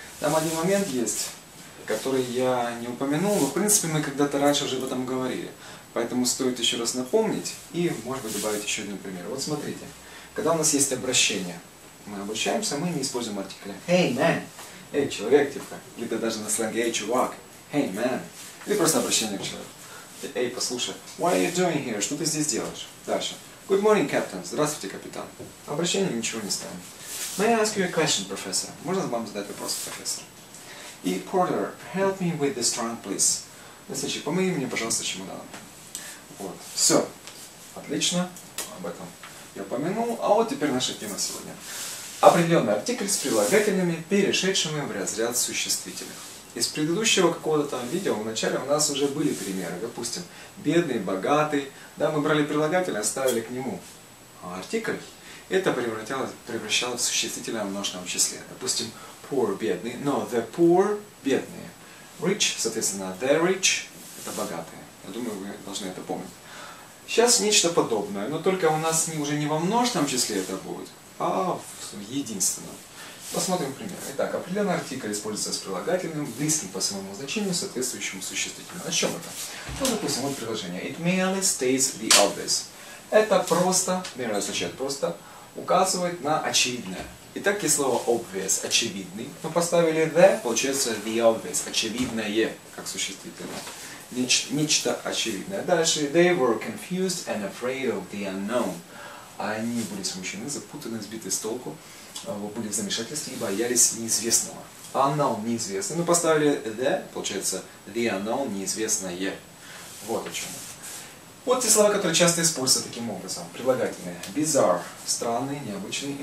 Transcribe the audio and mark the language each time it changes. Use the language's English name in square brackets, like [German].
[Russian] Там один момент есть, который я не упомянул, но в принципе мы когда-то раньше уже об этом говорили. Поэтому стоит еще раз напомнить и, может быть, добавить еще один пример. Вот смотрите, когда у нас есть обращение, мы обучаемся, мы не используем артикля. [English] Hey, man! [Russian] Эй, человек, типа, или даже на сленге, эй, чувак, [English] hey, man, [Russian] или просто обращение к человеку. Эй, послушай, [English] what are you doing here? [Russian] Что ты здесь делаешь? Дальше. [English] Good morning, captain. [Russian] Здравствуйте, капитан. Обращение ничего не станет. [English] May I ask you a question, professor? [Russian] Можно вам задать вопрос, профессор? [English] И Porter, help me with this trunk, please. [Russian] Значит, помоги мне, пожалуйста, чемоданом. Вот. Все. Отлично. Об этом я упомянул. А вот теперь наша тема сегодня. Определенный артикль с прилагательными, перешедшими в разряд существительных. Из предыдущего какого-то там видео вначале у нас уже были примеры. Допустим, бедный, богатый. Да, мы брали прилагательное, оставили к нему артикль. Это превращалось в существительное в множественном числе. Допустим, poor, бедный. Но the poor, бедные. Rich, соответственно, the rich, это богатые. Я думаю, вы должны это помнить. Сейчас нечто подобное, но только у нас уже не во множественном числе это будет, а в единственном. Посмотрим пример. Итак, определенный артикль используется с прилагательным, близким по своему значению, соответствующему существительному. О чем это? Ну, допустим, вот предложение. [English] It merely states the obvious. [Russian] Это просто, merely означает просто, указывает на очевидное. Итак, есть слово obvious, очевидный. Мы поставили the, получается the obvious, очевидное, как существительное. Нечто очевидное. Дальше. [English] They were confused and afraid of the unknown. [Russian] Они были смущены, запутаны, сбиты с толку, были в замешательстве и боялись неизвестного. Unknown, неизвестный. Мы поставили the, получается the unknown, неизвестное. Вот о чем. Вот те слова, которые часто используются таким образом. Прилагательные. Bizarre, странный, необычный.